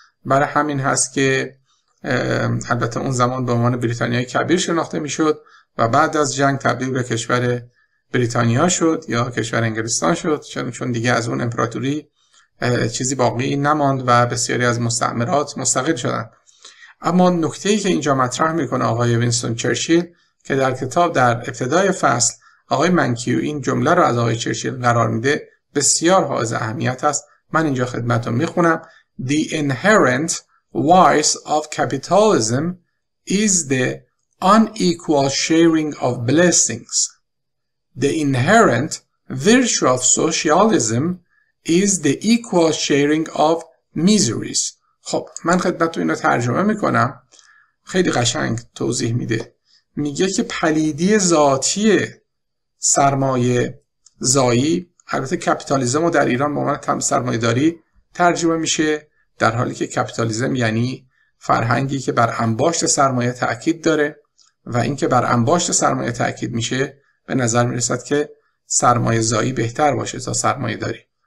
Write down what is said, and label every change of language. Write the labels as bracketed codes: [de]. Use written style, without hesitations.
[fa] برای همین هست که البته اون زمان به عنوان بریتانیای کبیر شناخته میشد و بعد از جنگ تبدیل به کشور بریتانیا شد یا کشور انگلستان شد، چون دیگه از اون امپراتوری چیزی باقی نماند و بسیاری از مستعمرات مستقل شدند. اما نکته‌ای که اینجا مطرح میکنه آقای وینستون چرچیل که در کتاب در ابتدای فصل آقای منکیو این جمله رو از آقای چرچیل قرار میده، بسیار حائز اهمیت است. من اینجا خدمتتون میخونم. [en] The inherent vice of capitalism is the unequal sharing of blessings. The inherent virtue of socialism is the equal sharing of miseries. [fa] خب من خدمت تو اینو ترجمه میکنم. خیلی قشنگ توضیح میده. میگه که پلیدی ذاتی سرمایه زایی، البته کپیتالیزم رو در ایران به عنوان سرمایه داری ترجمه میشه، در حالی که کپیتالیزم یعنی فرهنگی که بر انباشت سرمایه تأکید داره، و اینکه بر انباشت سرمایه تأکید میشه به نظر میرسد که سرمایه زایی بهتر باشه تا سرمایه داری.